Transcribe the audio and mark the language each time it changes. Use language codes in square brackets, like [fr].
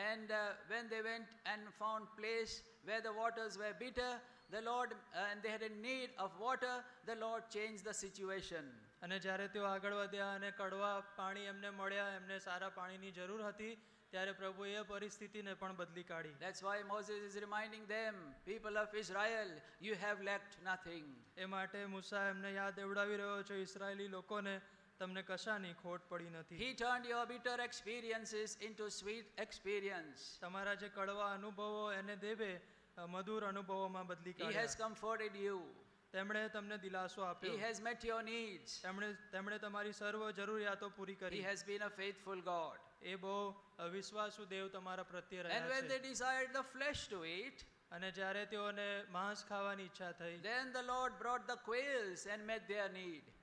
[en] And when they went and found place where the waters were bitter, the Lord and they had a need of water, the Lord changed the situation. [gu] અને જ્યારે તેઓ આગળ વધ્યા અને કડવા પાણી એમને મળ્યા, એમને સારા પાણીની જરૂર હતી, ત્યારે પ્રભુ એ પરિસ્થિતિને પણ બદલી કાઢી. [en] That's why Moses is reminding them, people of Israel, you have lacked nothing. [gu] એ માટે મૂસા એમને યાદ દેવડાવી રહ્યો છે, ઇસરાયલી લોકોને તમને કશાની ખોટ પડી નથી. [en] He turned your bitter experiences into sweet experience. [gu] તમારા જે કડવા અનુભવો એને દેવે મધુર અનુભવોમાં બદલી કાઢી. [en] He has comforted you. [gu] તેમણે તમને દિલાસો આપ્યો. [en] He has met your needs. [gu] તેમણે તમારી સર્વ જરૂરિયાતો પૂરી કરી. [en] He has been a faithful God. [gu] એ બહુ વિશ્વાસુ દેવ તમારા પ્રત્યે રહ્યા છે. [en] And when they desired the flesh to eat, [gu] અને જ્યારે તેઓને માંસ ખાવાની ઈચ્છા થઈ, [en] then the Lord brought the quails and met their need.